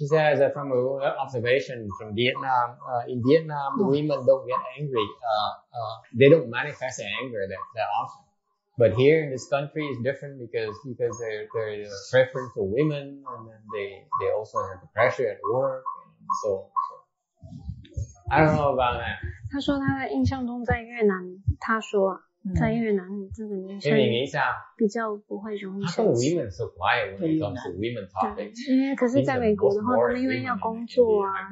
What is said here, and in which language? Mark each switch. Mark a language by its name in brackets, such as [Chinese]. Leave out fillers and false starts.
[English] She says that from an observation from Vietnam, in Vietnam, women don't get angry. They don't manifest their anger that often. But here in this country, it's different because there is a preference for women, and then they also have the pressure at work. And so. I don't know about that. [Chinese] 他说他的印象中在越南，他说在越南这个女生比较不会容易生气。 [English] Women so quiet when it comes to women topics. [Chinese] 因为可是在美国的话，他们因为要工作啊，